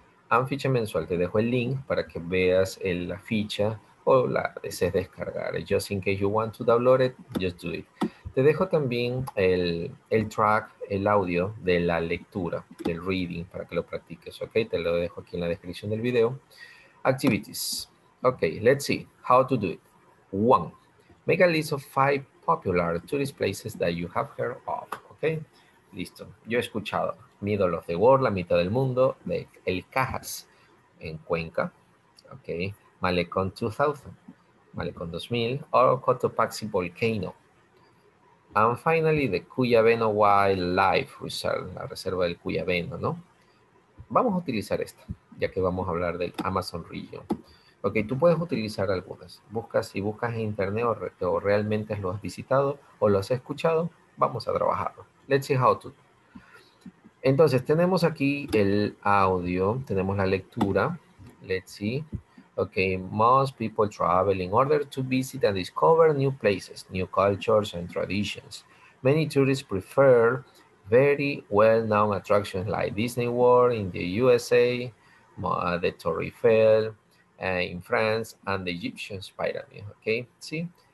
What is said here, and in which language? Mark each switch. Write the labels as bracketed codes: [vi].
[es] En ficha mensual, te dejo el link para que veas la ficha o la desees descargar. [en] Just in case you want to download it, just do it. [es] Te dejo también el track, el audio de la lectura, del reading, para que lo practiques, ¿ok? Te lo dejo aquí en la descripción del video. [en] Activities. Ok, let's see how to do it. 1. Make a list of 5 popular tourist places that you have heard of, ¿ok? [es] Listo, yo he escuchado. Mido los de Word, la mitad del mundo, de El Cajas en Cuenca, okay. Malecón 2000, Malecón 2000, o Cotopaxi Volcano. [en] And finally, the Cuyabeno Wildlife Reserve, [es] la reserva del Cuyabeno, [en] ¿no? [es] Vamos a utilizar esta, ya que vamos a hablar del Amazon Region. Ok, tú puedes utilizar algunas. Buscas, si buscas en internet o realmente lo has visitado o lo has escuchado, vamos a trabajarlo. [en] Let's see how to. [es] Entonces, tenemos aquí el audio, tenemos la lectura. [en] Let's see. Okay, most people travel in order to visit and discover new places, new cultures and traditions. Many tourists prefer very well-known attractions like Disney World in the USA, the Torre Eiffel in France, and the Egyptian Pyramid. Okay, see?